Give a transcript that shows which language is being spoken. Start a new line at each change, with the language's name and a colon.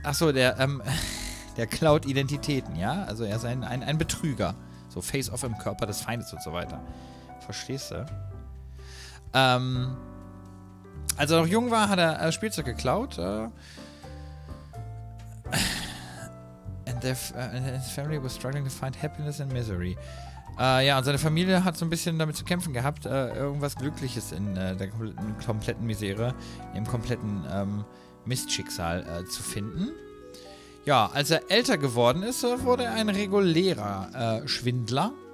German: Achso, der, der klaut Identitäten, ja? Also er ist ein Betrüger. So Face-Off im Körper des Feindes und so weiter. Verstehst du? Als er noch jung war, hat er Spielzeug geklaut.
English: And his family was struggling to find happiness and misery.
German: Ja, und seine Familie hat so ein bisschen damit zu kämpfen gehabt, irgendwas Glückliches in der kompletten Misere, im kompletten Mistschicksal zu finden. Ja, als er älter geworden ist, wurde er ein regulärer Schwindler.